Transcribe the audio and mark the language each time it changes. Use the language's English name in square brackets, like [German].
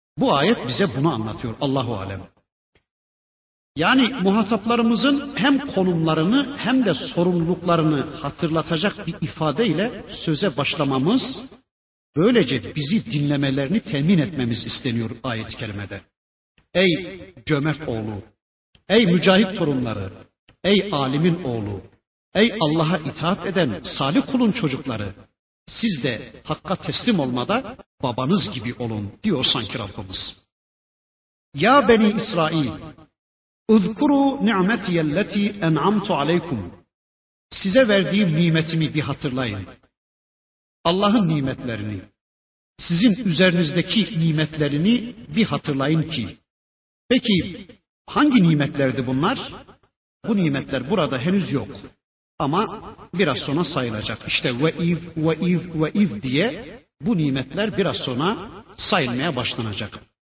[Turkish] Bu ayet bize bunu anlatıyor Allahu Alem. Yani muhataplarımızın hem konumlarını hem de sorumluluklarını hatırlatacak bir ifadeyle söze başlamamız, böylece bizi dinlemelerini temin etmemiz isteniyor ayet-i kerimede. Ey cömert oğlu, ey mücahit torunları, ey alimin oğlu, ey Allah'a itaat eden salih kulun çocukları, siz de hakka teslim olmada babanız gibi olun diyor sanki Rabbimiz. [Arabic] Ya beni İsrail, اذكروا نعمتي التي انعمت عليكم. [Turkish] Size verdiğim nimetimi bir hatırlayın. Allah'ın nimetlerini, sizin üzerinizdeki nimetlerini bir hatırlayın ki. Peki hangi nimetlerdi bunlar? Bu nimetler burada henüz yok. Ama biraz sonra sayılacak. İşte ve'iz, ve'iz, ve'iz diye bu nimetler biraz sonra sayılmaya başlanacak.